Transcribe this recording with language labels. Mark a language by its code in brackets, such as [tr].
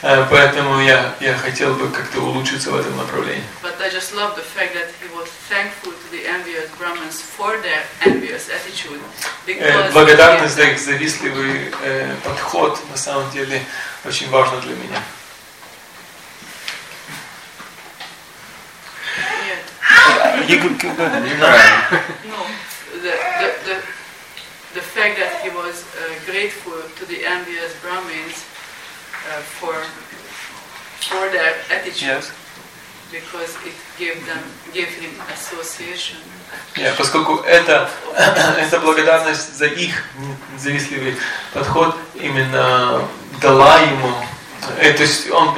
[ru] Поэтому я хотел бы как-то улучшиться в этом направлении. [en] But I just love the fact that he was thankful to the envious Brahmins for their envious attitude. [ru] Благодарность за их завистливый подход на самом деле очень важна для меня. [en] The fact that he was grateful to the envious Brahmins for their attitude, yes, because it gave him association. [ru] Yeah, поскольку это благодарность за их завистливый подход именно дала ему, то есть